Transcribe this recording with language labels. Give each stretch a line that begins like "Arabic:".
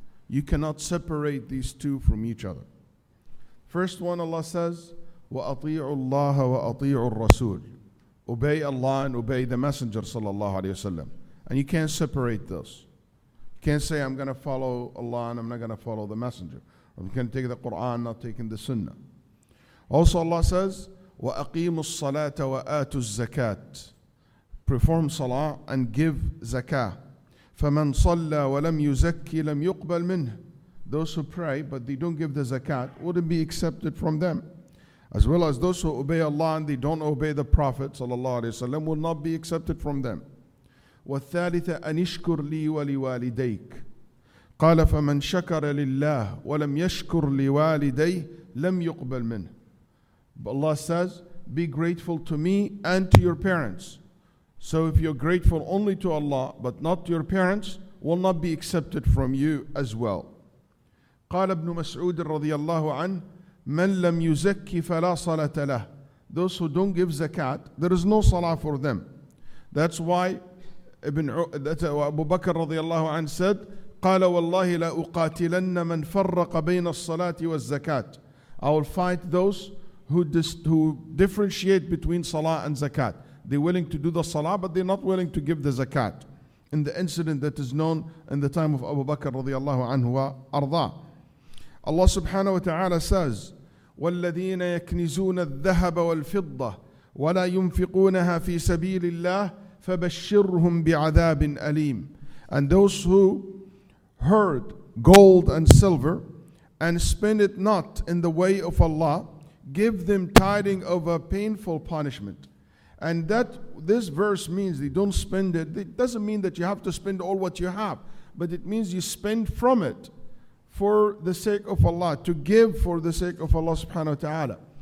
English: You cannot separate these two from each other. First one, Allah says,
Arabic: وَأَطِيعُ اللَّهَ وَأَطِيعُ الرَّسُولِ.
English: Obey Allah and obey the Messenger sallallahu alayhi wasallam. And you can't separate those. You can't say, I'm going to follow Allah and I'm not going to follow the Messenger. I'm going to take the Quran, not taking the Sunnah. Also Allah says,
Arabic: وَأَقِيمُ الصَّلَاةَ وَآتُ الزَّكَاةِ.
English: Perform salah and give zakah.
Arabic: فَمَنْ صَلَّى وَلَمْ يُزَكِّ لَمْ يُقْبَلْ مِنْهِ.
English: Those who pray but they don't give the zakat wouldn't be accepted from them. As well as those who obey Allah and they don't obey the Prophet sallallahu alayhi wasallam will not be accepted from them.
Arabic: وَالثَّالِثَ أَنِشْكُرْ لِي وَلِوَالِدَيْكَ. قَالَ فَمَنْ شَكَرَ لِلَّهِ وَلَمْ يَشْكُرْ لِوَالِدَيْهِ لَمْ يُقْبَلْ مِنْهِ.
English: But Allah says, be grateful to me and to your parents. So if you're grateful only to Allah, but not to your parents, will not be accepted from you as well.
Arabic: قال ابن مسعود رضي الله عنه من لم يزكي فلا صلاة له.
English: Those who don't give zakat, there is no salah for them. That's why Abu Bakr radiyallahu anhu said,
Arabic: قال والله لا أقاتلن من فرق بين الصلاة والزكاة.
English: I will fight those who differentiate between salah and zakat. They're willing to do the salah, but they're not willing to give the zakat. In the incident that is known in the time of Abu Bakr radiyallahu anhu wa arda. Allah subhanahu wa ta'ala says,
Arabic: وَالَّذِينَ يَكْنِزُونَ الذَّهَبَ وَالْفِضَّةِ وَلَا يُنْفِقُونَهَا فِي سَبِيلِ اللَّهِ فَبَشِّرْهُمْ بِعَذَابٍ أَلِيمٍ.
English: And those who hoard gold and silver and spend it not in the way of Allah, give them tiding of a painful punishment. And that this verse means they don't spend it. It doesn't mean that you have to spend all what you have, but it means you spend from it for the sake of Allah, to give for the sake of Allah subhanahu wa ta'ala.